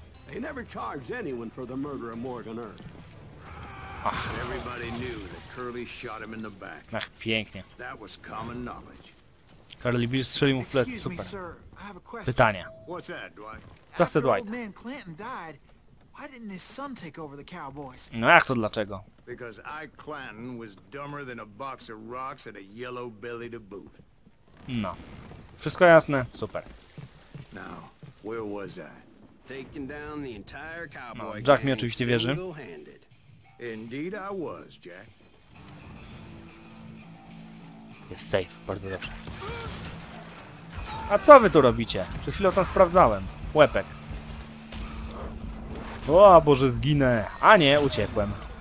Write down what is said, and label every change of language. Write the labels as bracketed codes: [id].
[en] They never charged anyone for the murder of Morgan Earp. Ach. Everybody knew that Curly shot him in the back. [pl] Ach, pięknie. [en] That was common knowledge. [pl] Curly Bill strzelił mu w plecy, super. Pytania. [en] What's that, Dwight? [pl] Co chce Dwight? [en] After old man Clanton died, why didn't his son take over the Cowboys? [pl] No jak to dlaczego? [en] Because Ike Clanton was dumber than a box of rocks and a yellow belly to boot. No. [pl] Wszystko jasne, super. [en] Now, where was I? Taking down the entire cowboy. [pl] Jack mi oczywiście wierzy. [en] Indeed I was, Jack. [pl] Jest safe, bardzo dobrze. A co wy tu robicie? Przed chwilą tam sprawdzałem. Łepek. O Boże, zginę. A nie, uciekłem.